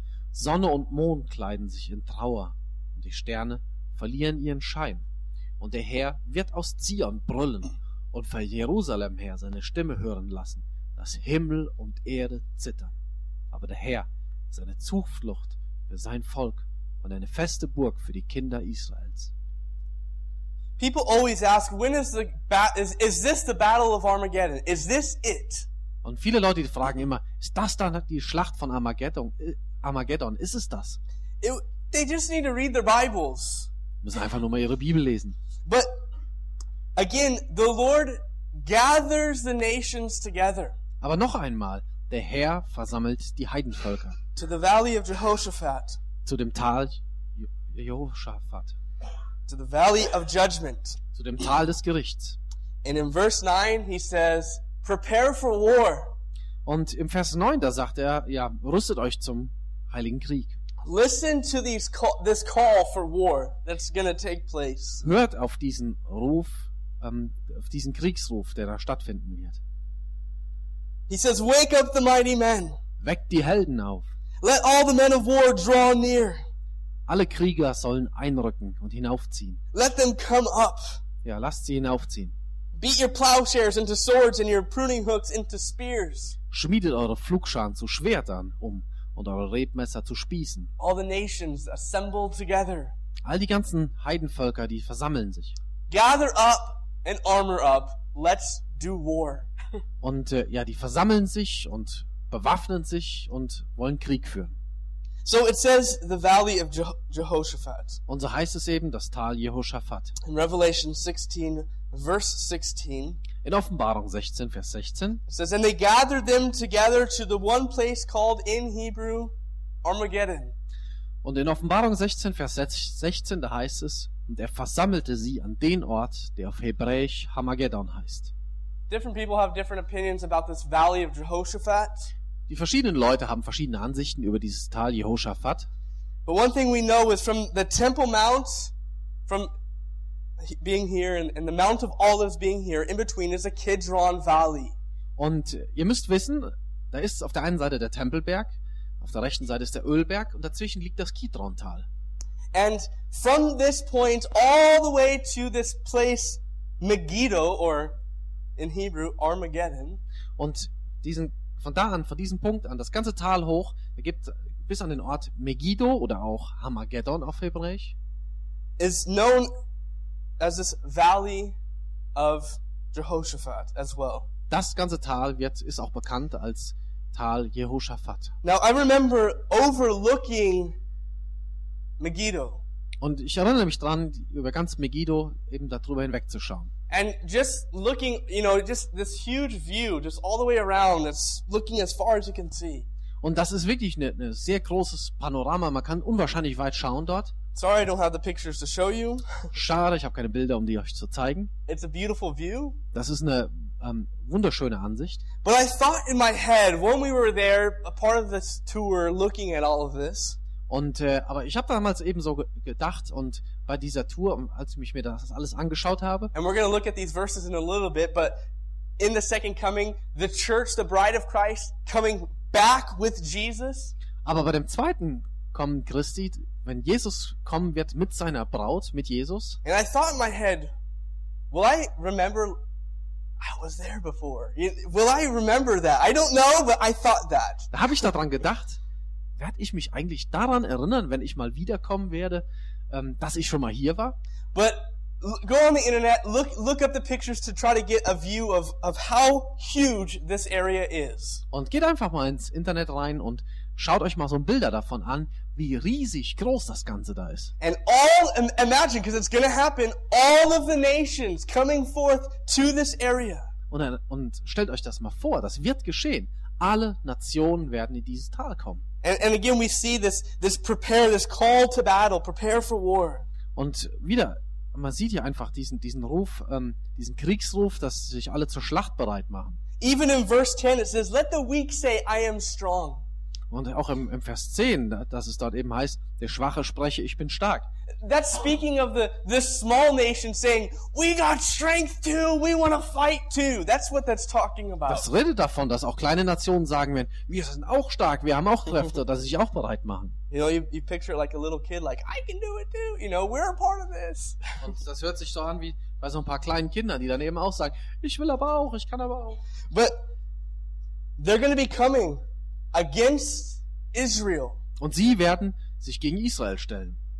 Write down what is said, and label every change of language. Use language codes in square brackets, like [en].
[de] Sonne und Mond kleiden sich in Trauer, und die Sterne verlieren ihren Schein. Und der Herr wird aus Zion brüllen und von Jerusalem her seine Stimme hören lassen, dass Himmel und Erde zittern. Aber der Herr ist eine Zuflucht für sein Volk und eine feste Burg für die Kinder Israels. [en] People always ask, when is this the battle of Armageddon? Is this it? [de] Und viele Leute fragen immer, ist das dann die Schlacht von Armageddon? Ist es das? [en] They just need to read their Bibles. [de] Müssen einfach nur mal ihre Bibel lesen. [en] But again, the Lord gathers the nations together. [de] Aber noch einmal, der Herr versammelt die Heidenvölker. [en] To the valley of Jehoshaphat. [de] Zu dem Tal Jehoshaphat. [en] To the valley of judgment. [de] Zu dem Tal des Gerichts. [en] And in verse 9 he says, prepare for war. [de] Und im Vers 9 da sagt er, ja, rüstet euch zum heiligen Krieg. [en] Listen to this call for war that's going to take place. [de] Hört auf diesen Ruf, auf diesen Kriegsruf, der da stattfinden wird. [en] He says, "Wake up the mighty men." [de] Weckt die Helden auf. [en] Let all the men of war draw near. [de] Alle Krieger sollen einrücken und hinaufziehen. [en] Let them come up. [de] Ja, lasst sie hinaufziehen. [en] Beat your plowshares into swords and your pruning hooks into spears. [de] Schmiedet eure Pflugscharen zu Schwertern um. Und eure Rebmesser zu spießen. [en] All the nations assemble together. [de] All die ganzen Heidenvölker, die versammeln sich. [en] Gather up and armor up. Let's do war. [de] Und ja, die versammeln sich und bewaffnen sich und wollen Krieg führen. [en] So it says the valley of Jehoshaphat. [de] Und so heißt es eben das Tal Jehoshaphat. [en] In Revelation 16, verse 16. [de] In Offenbarung 16, Vers 16. [en] It says, and they gathered them together to the one place called in Hebrew Armageddon. [de] Und in Offenbarung 16, Vers 16, da heißt es, und er versammelte sie an den Ort, der auf Hebräisch Hamageddon heißt. [en] Different people have different opinions about this valley of Jehoshaphat. [de] Die verschiedenen Leute haben verschiedene Ansichten über dieses Tal Jehoshaphat. [en] But one thing we know is from the Temple Mount, from being here and the Mount of Olives being here, in between is a Kidron Valley. [de] Und ihr müsst wissen, da ist auf der einen Seite der Tempelberg, auf der rechten Seite ist der Ölberg und dazwischen liegt das Kidron-Tal. [en] And from this point all the way to this place Megiddo, or in Hebrew Armageddon. [de] Und diesen, von da an, von diesem Punkt an, das ganze Tal hoch, da gibt bis an den Ort Megiddo oder auch Armageddon auf Hebräisch, [en] is known as this Valley of Jehoshaphat as well. [de] Das ganze Tal wird, ist auch bekannt als Tal Jehoshaphat. [en] Now I remember overlooking Megiddo. [de] Und ich erinnere mich dran, über ganz Megiddo eben darüber hinwegzuschauen. [en] And just looking, you know, just this huge view, just all the way around, it's looking as far as you can see. [de] Und das ist wirklich ein sehr großes Panorama. Man kann unwahrscheinlich weit schauen dort. [en] Sorry, I don't have the pictures to show you. [de] Schade, ich habe keine Bilder, um die euch zu zeigen. [en] It's a beautiful view. [de] Das ist eine wunderschöne Ansicht. [en] But I thought in my head, when we were there, a part of this tour, looking at all of this. [de] Und aber ich habe damals eben so gedacht und bei dieser Tour, als ich mir das alles angeschaut habe. [en] And we're gonna look at these verses in a little bit, but in the second coming, the church, the bride of Christ, coming back with Jesus. [de] Aber bei dem zweiten kommen Christi, wenn Jesus kommen wird mit seiner Braut, mit Jesus. [en] And I thought in my head, will I remember? I was there before. Will I remember that? I don't know, but I thought that. [de] Da habe ich daran gedacht. Werde ich mich eigentlich daran erinnern, wenn ich mal wiederkommen werde, dass ich schon mal hier war? [en] But go on the internet, look up the pictures to try to get a view of how huge this area is. [de] Und geht einfach mal ins Internet rein und schaut euch mal so Bilder davon an, wie riesig groß das Ganze da ist. [en] And all, imagine, because it's going to happen, all of the nations coming forth to this area. [de] Und stellt euch das mal vor, das wird geschehen. Alle Nationen werden in dieses Tal kommen. [en] And again, we see this prepare, this call to battle, prepare for war. [de] Und wieder, man sieht hier einfach diesen Ruf, diesen Kriegsruf, dass sich alle zur Schlacht bereit machen. [en] Even in verse 10, it says, let the weak say, I am strong. [de] Und auch im Vers 10, dass es dort eben heißt, der Schwache spreche, ich bin stark. [en] That's speaking of the small nation saying, we got strength too, we want to fight too. That's what that's talking about. [de] Das redet davon, dass auch kleine Nationen sagen werden, wir sind auch stark, wir haben auch Kräfte, dass sie sich auch bereit machen. [en] You know, you picture it like a little kid, like, I can do it too, you know, we're a part of this. [de] Und das hört sich so an wie bei so ein paar kleinen Kindern, die dann eben auch sagen, ich will aber auch, ich kann aber auch. [en] But they're going to be coming against Israel. [de] Und sie werden sich gegen Israel stellen.